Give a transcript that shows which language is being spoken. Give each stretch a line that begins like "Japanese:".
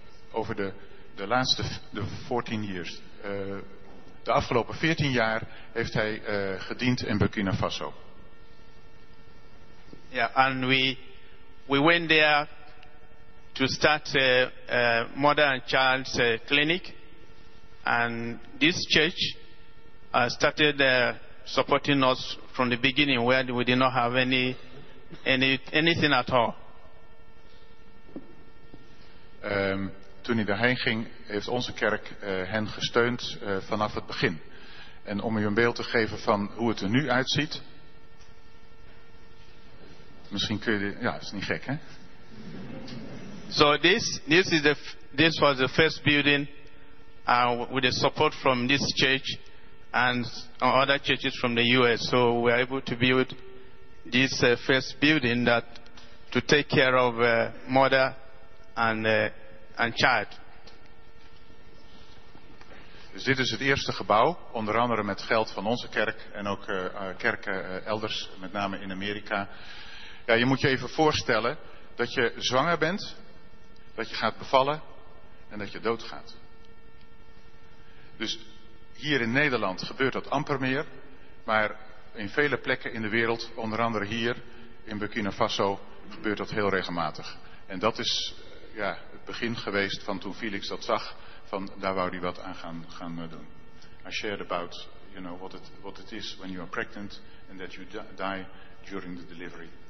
Dutch: Over de laatste de 14 years. De afgelopen 14 jaar heeft hij gediend in Burkina Faso.
English: Ja, en we went there to start a mother and child clinic. And this church started supporting us from the beginning, where we did not have anything at all.
Dutch: Toen hij daarheen ging, heeft onze kerk hen gesteund vanaf het begin. En om u een beeld te geven van hoe het er nu uitziet. Misschien kun je... Ja, dat is niet gek, hè?
English: So this was the first building. With the support from this church and other churches from the U.S. So we are able to build this first building that to take care of mother and child.
Dutch: Dus dit is het eerste gebouw, onder andere met geld van onze kerk en ook kerken elders, met name in Amerika. Ja, je moet je even voorstellen dat je zwanger bent, dat je gaat bevallen en dat je doodgaat. Dus hier in Nederland gebeurt dat amper meer, maar in vele plekken in de wereld, onder andere hier in Burkina Faso, gebeurt dat heel regelmatig. En dat is het begin geweest van toen Felix dat zag, van daar wou hij wat aan gaan doen.
English: I shared about what it is when you are pregnant and that you die during the delivery.